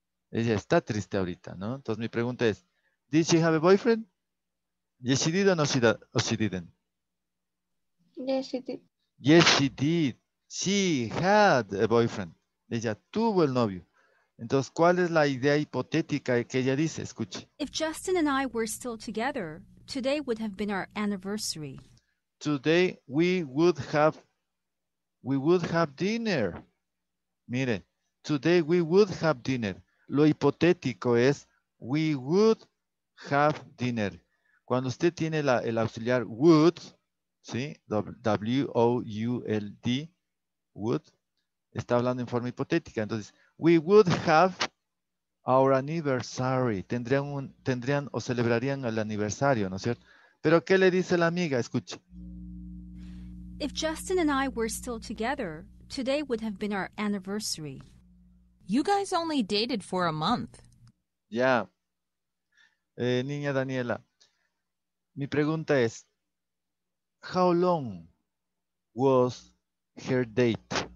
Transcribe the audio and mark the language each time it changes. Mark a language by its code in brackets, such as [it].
[es] Ella está triste ahorita, ¿no? Entonces mi pregunta es, [en] did she have a boyfriend? Yes, she did or she didn't? Yes, she did. Yes, she did. She had a boyfriend. [es] Ella tuvo el novio. Entonces, ¿cuál es la idea hipotética que ella dice? Escuche. [en] If Justin and I were still together, today would have been our anniversary. Today we would have dinner. Mire, today we would have dinner. [es] Lo hipotético es [en] we would have dinner. [es] Cuando usted tiene el auxiliar would, ¿sí? W-O-U-L-D, would, está hablando en forma hipotética. [en] Entonces, we would have our anniversary. [es] Tendrían o celebrarían el aniversario, ¿no es cierto? Pero, ¿qué le dice la amiga? Escuche. [en] If Justin and I were still together, today would have been our anniversary. You guys only dated for a month. Yeah. Niña Daniela, [es] mi pregunta es, [en] how long was her date?